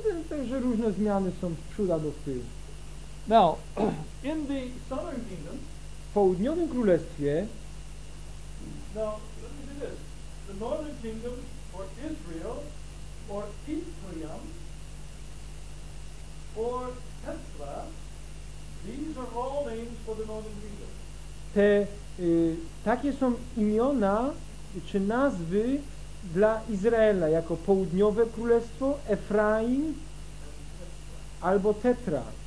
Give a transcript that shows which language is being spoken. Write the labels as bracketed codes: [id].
[pl] Także różne zmiany są z przodu do tyłu. [en] Now, in the southern kingdom, [pl] w południowym królestwie, [en] now, let me do this. The northern kingdom, or Israel, or Ephraim, or Tekoa, these are all names for the northern kingdom. [pl] Te, takie są imiona czy nazwy dla Izraela, jako południowe królestwo, Efraim albo Tetra.